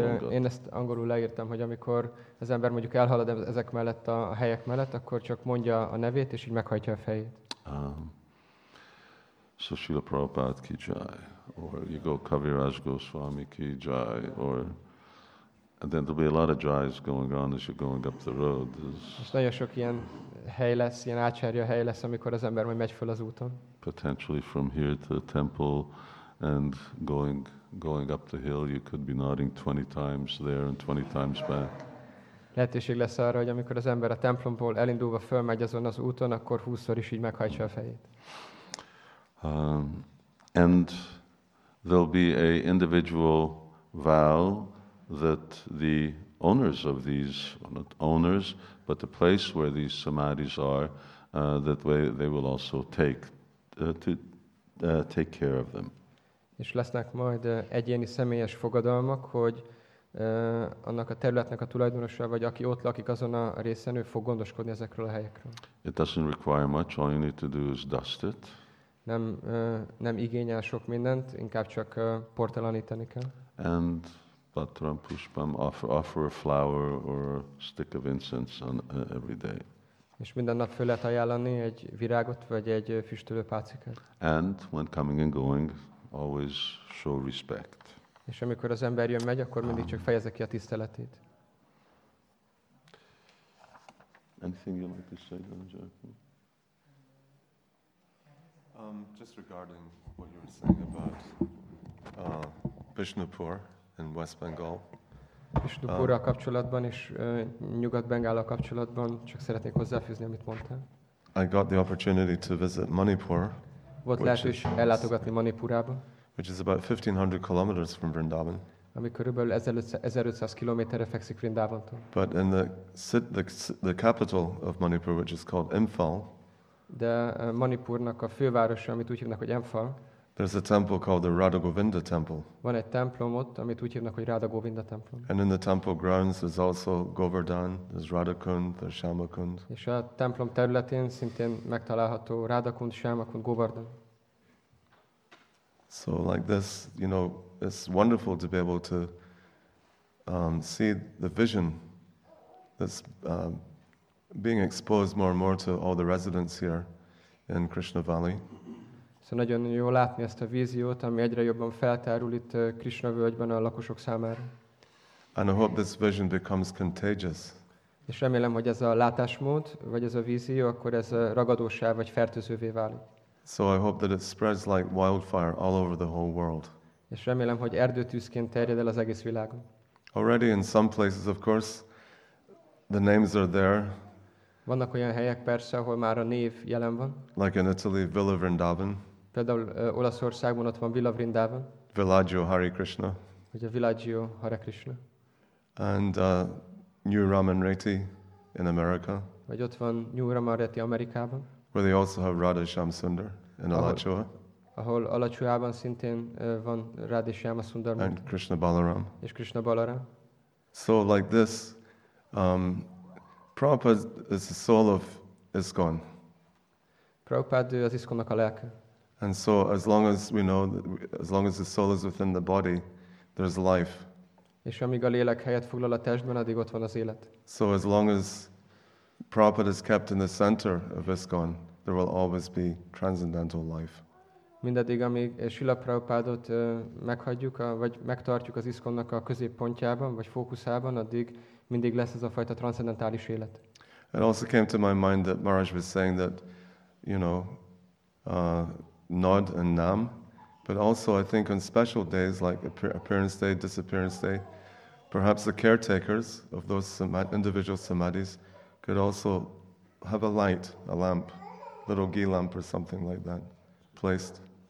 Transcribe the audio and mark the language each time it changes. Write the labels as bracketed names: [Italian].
[Hungarian] Én ezt angolul leírtam, hogy amikor az ember mondjuk elhalad ezek mellett a helyek mellett, akkor csak mondja a nevét, és így meghajtja a fejét. [English] So Srila Prabhupada ki jai, or you go Kaviraj Goswami ki jai, or and then there'll be a lot of jais going on as you're going up the road. [Hungarian] Nagyon sok ilyen hely lesz, ilyen ácsárja hely lesz, amikor az ember majd megy föl az úton. [English] Potentially from here to the temple and going up the hill, you could be nodding 20 times there and 20 times back. [Hungarian] Lehetőség lesz arra, hogy amikor az ember a templomból elindulva fölmegy azon az úton, akkor 20-szor is így meghajtsa a fejét. [English] And there'll be a individual vow that the owners of these, not owners, but the place where these samadhis are, that they will also take care of them. [Hungarian] És lesznek majd egyéni személyes fogadalmak, hogy annak a területnek a tulajdonosa, vagy aki ott lakik azon a részen, ő fog gondoskodni ezekről a helyekről. [English] It doesn't require much, all you need to do is dust it. [Hungarian] Nem igényel sok mindent, inkább csak portalanítani kell. [English] And patram pushpam, offer a flower or a stick of incense on every day. [Hungarian] És minden nap föl lehet ajánlani egy virágot, vagy egy füstölő pálcikát. [English] And when coming and going, always show respect. [Hungarian] És amikor az ember jön megy, akkor mindig csak fejezze ki a tiszteletét. [English] Anything you like to say, Ranjan? Just regarding what you were saying about Bishnupur and West Bengal. [Hungarian] Bishnupurral kapcsolatban és Nyugat-Bengállal kapcsolatban csak szeretnék hozzáfűzni, amit mondtál. [English] I got the opportunity to visit Manipur. [Hungarian] Volt lehetőség ellátogatni Manipurába. [English] Which is about 1500 kilometers from Vrindavan. [Hungarian] Ami körülbelül 1500 kilométerre fekszik Vrindavantól. [English] But in the capital of Manipur, which is called Imphal. [Hungarian] De Manipurnak a fővárosa, amit úgy hívnak, hogy Imphal. [English] There's a temple called the Radha Govinda temple. [Hungarian] Van egy templom ott, amit úgy hívnak, hogy Radha Govinda templom. [English] And in the temple grounds there's also Govardhan, there's Radhakund, there's Shyamakund. [Hungarian] És a templom területén szintén megtalálható Radhakund, Shyamakund, Govardhan. [English] So like this, you know, it's wonderful to be able to see the vision that's being exposed more and more to all the residents here in Krishna Valley. [Hungarian] So nagyon jó látni ezt a víziót, ami egyre jobban feltárul itt Krishna völgyben a lakosok számára. [English] And I hope this vision becomes contagious. [Hungarian] És remélem, hogy ez a látásmód, vagy ez a vízió, akkor ez ragadósá vagy fertőzővé válik. [English] So I hope that it spreads like wildfire all over the whole world. [Hungarian] És remélem, hogy erdőtűzként terjed el az egész világon. [English] Already in some places, of course, the names are there. [Hungarian] Vannak olyan helyek persze, ahol már a név jelen van. [English] Like in Italy, Villa Vrindavan. [Hungarian] Például Olaszországban ott van Villa Vrindavan. [English] Villaggio Hare Krishna. [Hungarian] Ugye Villaggio Hare Krishna. [English] And New Ramanreti in America. [Hungarian] Vagy ott van New Ramanreti Amerikában. [English] Where they also have Radha Shyam Sundar in Alachua. [Hungarian] Ahol Alachuában szintén van Radha Shyam Sundar. [English] And Krishna Balaram. [Hungarian] És Krishna Balaram. [English] So like this, Prabhupada is the soul of ISKCON. [Hungarian] Prabhupada az ISKCON-nak a lelke. [English] And so as long as we know, that as long as the soul is within the body, there's life. [Hungarian] És amíg a lélek helyet foglal a testben, addig ott van az élet. [English] So as long as Prabhupada is kept in the center of ISKCON, there will always be transcendental life. [Hungarian] Mindaddig, amíg Srila Prabhupádot meghagyjuk, vagy megtartjuk az ISKCON-nak a középpontjában, vagy fókuszában, addig mindig lesz ez a fajta transzcendentális élet. [English] It also came to my mind that Maharaj was saying that, you know, Nod and Nam, but also I think on special days like appearance day, disappearance day, perhaps the caretakers of those individual samadhis could also have a light, a lamp, little ghee lamp or something like that, placed.